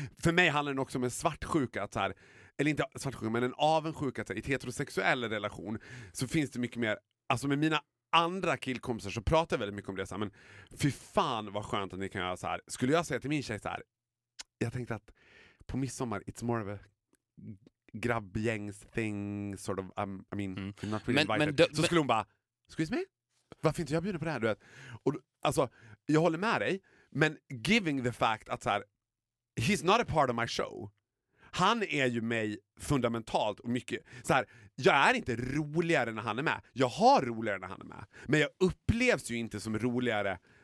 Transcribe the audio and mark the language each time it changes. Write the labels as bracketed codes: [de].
[sv] För mig handlar det också om en svartsjuka. Att så här, eller inte svartsjuka, men en avundsjuka. Att så här, i ett heterosexuell relation så finns det mycket mer... Alltså med mina andra killkompisar så pratar jag väldigt mycket om det. Så här, men fy fan vad skönt att ni kan göra så här. Skulle jag säga till min tjej så här... Jag tänkte att på midsommar, [en] it's more of a... [sv] grabbgängs [en] thing sort of I'm not really invited. [sv] Skulle hon bara [en] excuse me? [sv] Varför inte jag bjuder på det här, du vet? Och alltså jag håller med dig, men [en] giving the fact [sv] att så här, [en] he's not a part of my show. [sv] Han är ju mig fundamentalt och mycket så här, jag är inte roligare när han är med. Jag har roligare när han är med, men jag upplevs ju inte som roligare.